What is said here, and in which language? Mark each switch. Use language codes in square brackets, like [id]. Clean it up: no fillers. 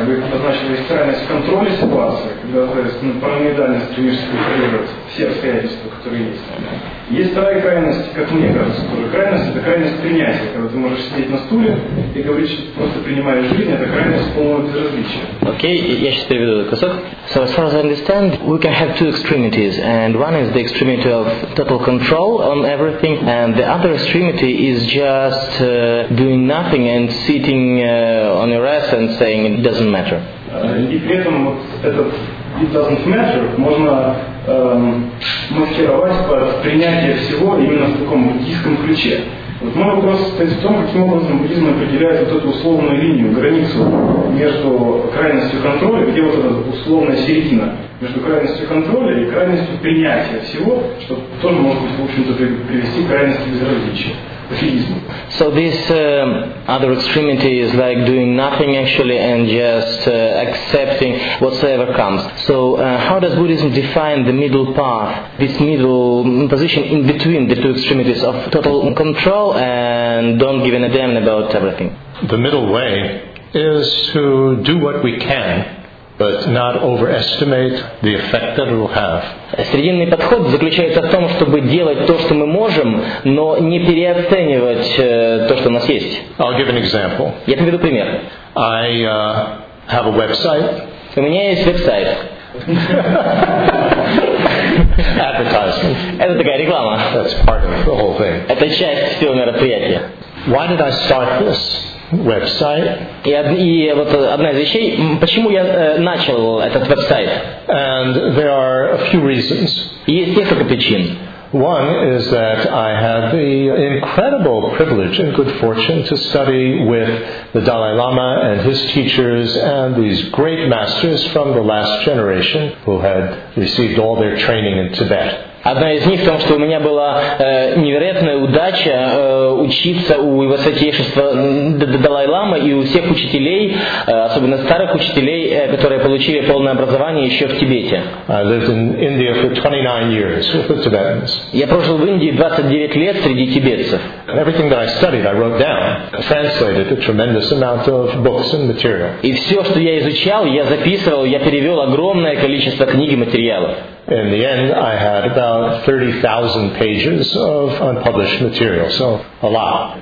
[ru] Я бы их обозначил как крайность контроля ситуации, когда ты параноидально стремишься контролировать все обстоятельства, которые есть. Есть вторая крайность, как мне кажется, тоже крайность, это крайность принятия. Когда ты можешь сидеть на стуле и говорить, что ты просто принимаешь жизнь, это крайность полного безразличия. Окей, я сейчас переведу этот кусок. [en] So as far as I understand, we can have two extremities, and one is the extremity of total control on everything, and the other extremity is just doing nothing and sitting on your ass and saying it doesn't matter. [ru] И при этом этот [en] it doesn't matter [ru] можно маскировать под принятие всего именно в таком буддийском ключе. Вот мой вопрос стоит в том, каким образом буддизм определяет вот эту условную линию, границу между крайностью контроля, где вот эта условная середина, между крайностью контроля и крайностью принятия всего, что тоже может быть, в общем-то, привести к крайности безразличия. [en] So this other extremity is like doing nothing actually and just accepting whatsoever comes. So how does Buddhism define the middle path, this middle position in between the two extremities of total control and don't give a damn about everything? The middle way is to do what we can, but not overestimate the effect that it will have. [ru] Срединный подход заключается в том, чтобы делать то, что мы можем, но не переоценивать то, что у нас есть. [en] I'll give an example. [ru] Я приведу пример. [en] I have a website. [ru] У меня есть веб-сайт. [en] Advertisement. [ru] Это такая реклама. [en] That's part of the whole thing. [ru] Это часть всего мероприятия. [en] Why did I start this website? [ru] И вот одна из вещей, почему я начал этот веб-сайт? [en] And there are a few reasons. [ru] Есть несколько причин. [en] One is that I had the incredible privilege and good fortune to study with the Dalai Lama and his teachers and these great masters from the last generation who had received all their training in Tibet. [ru] Одна из них в том, что у меня была невероятная удача учиться у его святейшества Далай-Лама и у всех учителей, особенно старых учителей, которые получили полное образование еще в Тибете. [en] I lived in India for 29 years with the Tibetans. [ru] Я прожил в Индии 29 лет среди тибетцев. [en] Everything that I studied, I wrote down, translated a tremendous amount of books and material. [ru] И все, что я изучал, я записывал, я перевел огромное количество книг и материалов. [en] In the end, I had about 30,000 pages of unpublished material, so a lot.